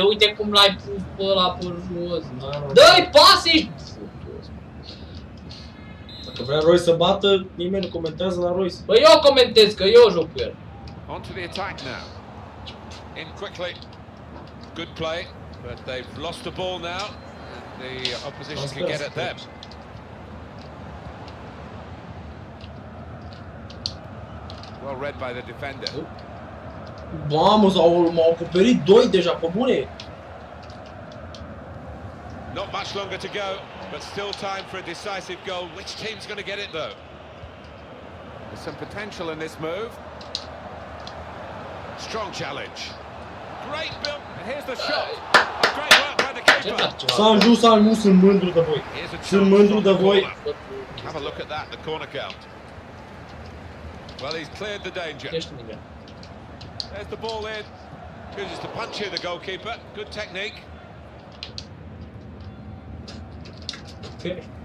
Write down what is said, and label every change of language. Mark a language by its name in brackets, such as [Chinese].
[Romanian] Uite cum l-ai pus pe ăla pe jos. Dă-i pas, ești... Dacă vrea Roy să bată, nimeni nu comentează la Roy. Băi, eu comentez, că eu joc cu el. [English] On to the attack now. In quickly. Good play, but they've lost the ball now. And the opposition can get at them. Well read by the defender. [Romanian] Vamos, au acoperit doi deja, pe bune. [English] Not much longer to go, but still time for a decisive goal. Which team's going to get it though? There's some potential in this move. Strong challenge. Great build. And here's the shot. A great work by the keeper. [Romanian] S-am jus, s-am jus, sunt mândru de voi. Sunt mândru de voi. [English] Have a look at that, the corner count. Well, he's cleared the danger. There's the ball in. Chooses to punch here, the goalkeeper. Good technique. Okay.